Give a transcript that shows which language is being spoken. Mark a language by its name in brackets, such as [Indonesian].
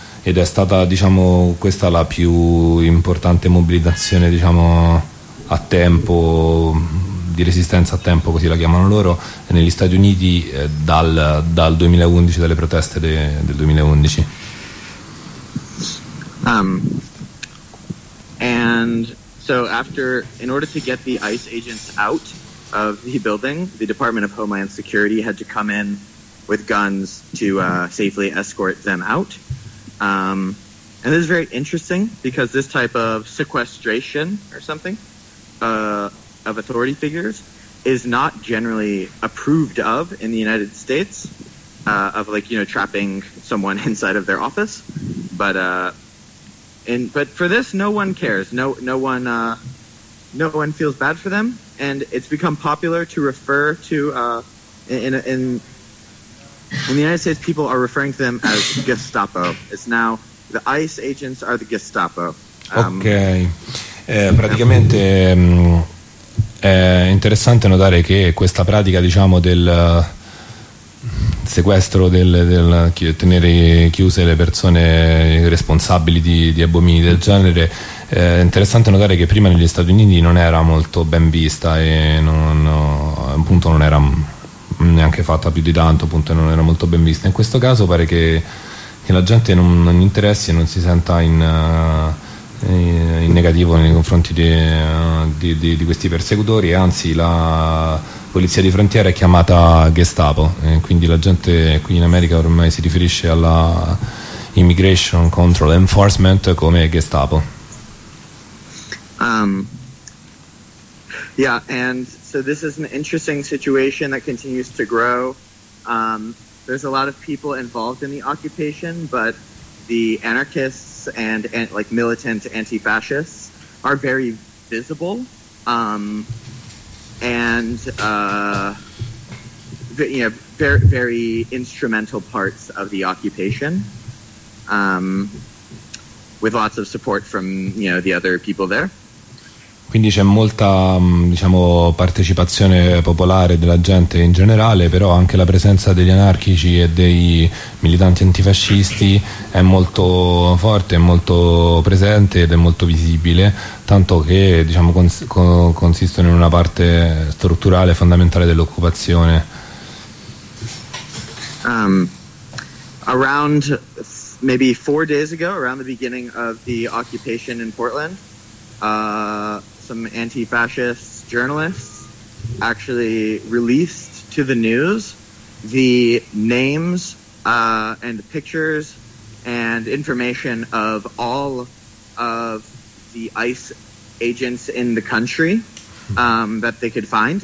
[Italian] Ed è stata, diciamo, questa la più importante mobilitazione, diciamo, a tempo, di resistenza a tempo, così la chiamano loro, negli Stati Uniti dal 2011, dalle proteste del 2011. [English] And so after, in order to get the ICE agents out of the building, the Department of Homeland Security had to come in with guns to safely escort them out. And this is very interesting because this type of sequestration or something of authority figures is not generally approved of in the United States, trapping someone inside of their office. But for this, no one cares. No one feels bad for them. And it's become popular to refer to In the United States, people are referring to them as Gestapo. It's now the ICE agents are the Gestapo. [Italian] Ok, praticamente è interessante notare che questa pratica, diciamo, del sequestro, del tenere chiuse le persone responsabili di abomini del genere, è interessante notare che prima negli Stati Uniti non era molto ben vista e non, appunto, non era neanche fatta più di tanto, appunto, non era molto ben vista. In questo caso pare che la gente non interessi e non si senta in negativo nei confronti di questi persecutori, anzi la polizia di frontiera è chiamata Gestapo, quindi la gente qui in America ormai si riferisce alla Immigration Control Enforcement come Gestapo. [English] Yeah, and so this is an interesting situation that continues to grow. There's a lot of people involved in the occupation, but the anarchists and like militant anti-fascists are very visible, very, very instrumental parts of the occupation, with lots of support from, you know, the other people there. [Italian] Quindi c'è molta, diciamo, partecipazione popolare della gente in generale, però anche la presenza degli anarchici e dei militanti antifascisti è molto forte, è molto presente ed è molto visibile, tanto che, diciamo, consistono in una parte strutturale fondamentale dell'occupazione. [English] Around maybe 4 days ago, around the beginning of the occupation in Portland, some anti-fascist journalists actually released to the news the names and pictures and information of all of the ICE agents in the country that they could find.